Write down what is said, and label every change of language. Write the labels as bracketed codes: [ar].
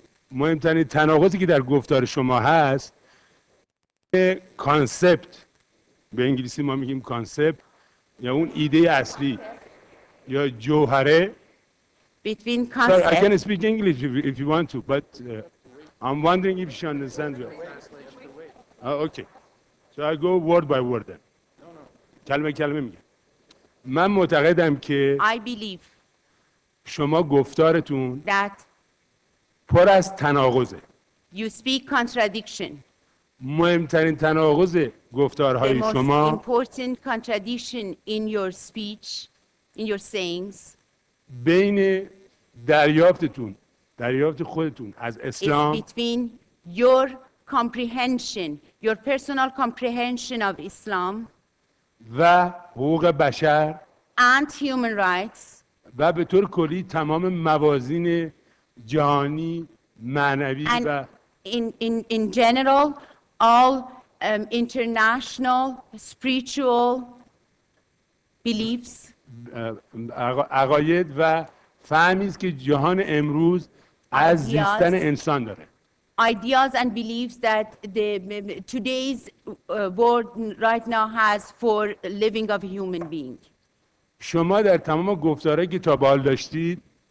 [fa] مهمترین تناقضی که در گفتار شما هست کانسپت، به انگلیسی ما میگیم کانسپت، یا اون ایده اصلی یا جوهره. [en] Between concept. Sir, I can speak English if you want to, but I'm wondering if she understands well. Okay. So I go word by word then. [fa] کلمه کلمه میگم. من معتقدم که [en] I believe [fa] شما گفتارتون [en] that [fa] پر از تناقضه. [en] You speak contradiction. [fa] مهمترین تناقض گفتارهای شما [en] The most important contradiction in your speech in your sayings [fa] بین دریافتتون دریافت خودتون از اسلام [en] is between your comprehension your personal comprehension of Islam [fa] و حقوق بشر [en] and human rights [fa] و به طور کلی تمام موازین جهانی معنوی [en] and [fa] و [en] in general all international spiritual beliefs [fa] عقاید و فهمی است که جهان امروز از زیستن انسان داره. [en] Ideas and beliefs that the today's world right now has for living of a human being. [fa] شما در تمام گفتارهایی که تا به حال داشتید